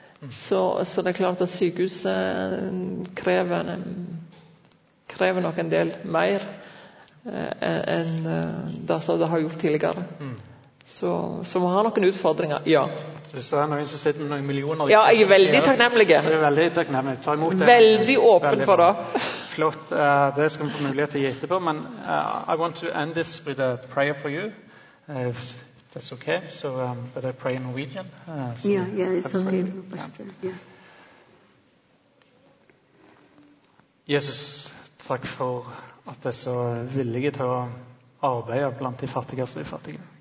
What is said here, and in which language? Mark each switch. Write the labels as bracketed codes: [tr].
[sv] Så det är klart att sjukhuset kräver nog en del mer än det som det har gjort tidigare. Så man har några utfordringar, ja. Så det är någon som sitter med några miljoner. Ja, jag är väldigt tacknämlig. Så det är väldigt tacknämlig. Ta emot det. Väldigt öppen för det. Flott. Det ska vi få möjlighet att gete på. [en] Men I want to end this with a prayer for you. That's okay. So, but I pray in Norwegian. [sv] Jesus, tack för att du är så villig att arbeta bland de fattigaste i fattiga.